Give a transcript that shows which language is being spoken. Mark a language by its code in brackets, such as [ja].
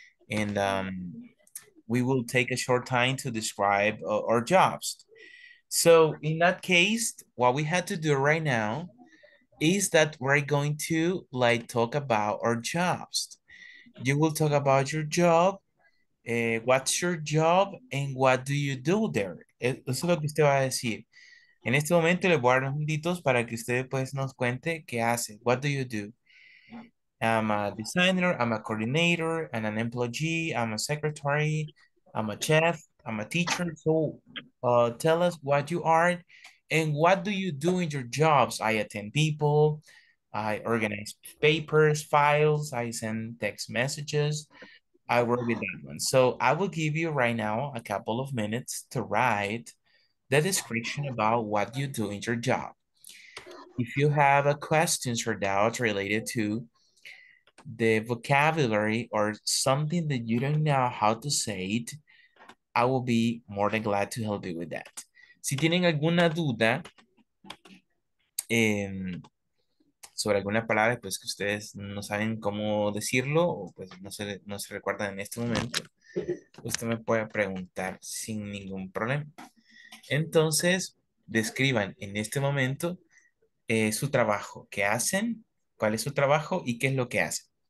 [en] And we will take a short time to describe our jobs. So in that case, what we had to do right now is that we're going to like talk about our jobs. You will talk about your job, what's your job, and what do you do there? [es] Eso es lo que usted va a decir. En este momento le voy a dar unos minutitos para que usted pues nos cuente qué hace. [en] What do you do? I'm a designer, I'm a coordinator, and an employee, I'm a secretary, I'm a chef. I'm a teacher, so tell us what you are and what do you do in your jobs? I attend people, I organize papers, files, I send text messages, I work with anyone. So I will give you right now a couple of minutes to write the description about what you do in your job. If you have a questions or doubts related to the vocabulary or something that you don't know how to say it, I will be more than glad to help you with that. [es] Si tienen alguna duda sobre alguna palabra, pues que ustedes no saben cómo decirlo, o pues no se recuerdan en este momento, usted me puede preguntar sin ningún problema. Entonces, describan en este momento su trabajo. ¿Qué hacen? ¿Cuál es su trabajo? ¿Y qué es lo que hacen?